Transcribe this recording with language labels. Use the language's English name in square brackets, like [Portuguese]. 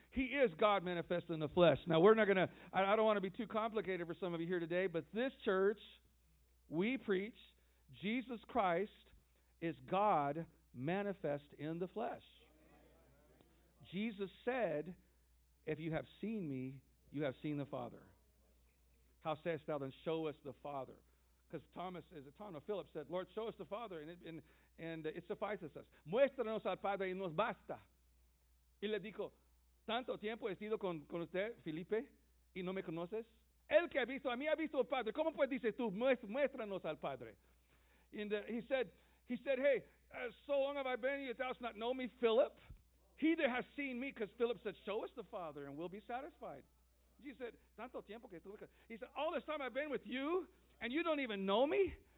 [English] He is God manifest in the flesh. Now, we're not going to, I don't want to be too complicated for some of you here today, but this church, we preach Jesus Christ is God manifest in the flesh. Jesus said, if you have seen me, you have seen the Father. How sayest thou then, show us the Father? Because Thomas, is it Thomas? Philip said, Lord, show us the Father, and it suffices us. [Spanish] Muéstranos al Padre y nos basta. Y le dijo, tanto tiempo he estado con usted, Felipe, y no me conoces. El que ha visto, a mí ha visto al Padre. ¿Cómo pues dices tú, muéstranos al Padre? [English] And he said, hey, so long have I been, yet thou hast not known me, Philip. He that has seen me, because Philip said, show us the Father, and we'll be satisfied. Jesus said, [Spanish] tanto tiempo que estuve. [English] He said, all this time I've been with you, and you don't even know me?